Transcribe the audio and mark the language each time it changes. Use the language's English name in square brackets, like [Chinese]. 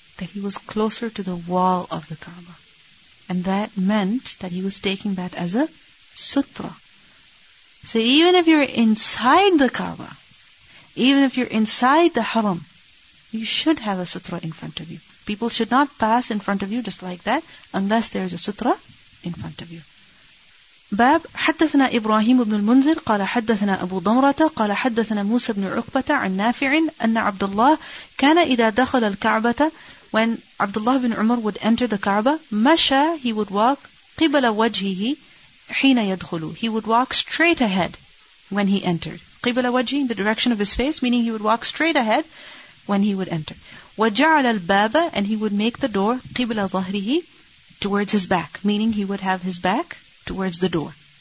[English] That he was closer to the wall of the Kaaba. And that meant that he was taking that as a sutra. So even if you're inside the Kaaba, even if you're inside the haram, you should have a sutra in front of you. People should not pass in front of you just like that unless there is a sutra in front of you. [Arabic] باب حدثنا إبراهيم بن المنذر قال حدثنا أبو ضمرة قال حدثنا موسى بن عقبة عن نافع أن عبد الله كان إذا دخل الكعبة, [English] when Abdullah bin Umar would enter the Kaaba, [Arabic] مشى, [English] he would walk [Arabic] قبل وجهه حين يدخل, [English] he would walk straight ahead when he entered. [Arabic] قبل وجهه, [English] in the direction of his face, meaning he would walk straight ahead when he would enter. [Arabic] وجعل الباب, [English] and he would make the door [Arabic] قبل ظهره, [English] towards his back, meaning he would have his back towards the door.